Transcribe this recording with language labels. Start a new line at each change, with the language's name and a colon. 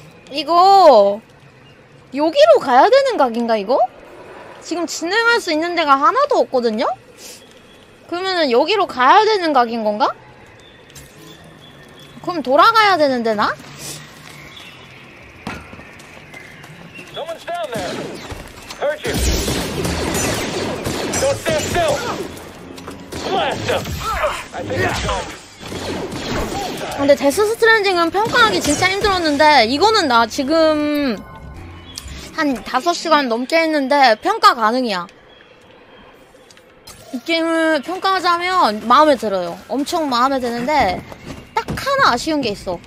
Korean: 이거 여기로 가야 되는 각인가 이거? 지금 진행할 수 있는 데가 하나도 없거든요? 그러면은 여기로 가야 되는 각인 건가? 그럼 돌아가야 되는데 나?
English: Someone's down there. Heard you. Don't stand still. Blast them. I think it's gone.
Korean: 근데 데스 스트랜딩은 평가하기 진짜 힘들었는데 이거는 나 지금 한 5시간 넘게 했는데 평가 가능이야. 게임을 평가하자면 마음에 들어요. 엄청 마음에 드는데 딱 하나 아쉬운 게 있어.